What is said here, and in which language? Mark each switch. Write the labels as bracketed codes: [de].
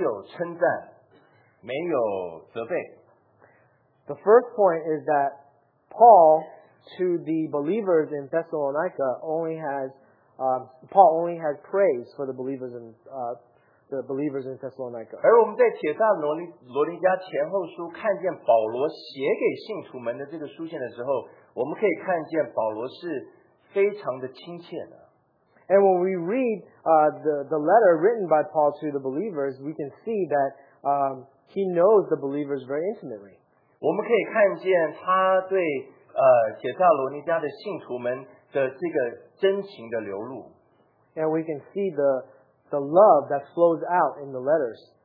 [zh] 保罗对帖撒罗尼迦的信徒们只有称赞，没有责备。 [en] The first point is that Paul to the believers in Thessalonica only has Paul only has praise for the believers in Thessalonica. [zh] 而我们在帖撒罗尼迦前后书看见保罗写给信徒们的这个书信的时候，我们可以看见保罗是非常的亲切的。 [en] And when we read the letter written by Paul to the believers, we can see that he knows the believers very intimately. [zh] 我们可以看见他对 帖撒罗尼迦的信徒们的这个真情的流露。 [en] And we can see the love that flows out in the letters.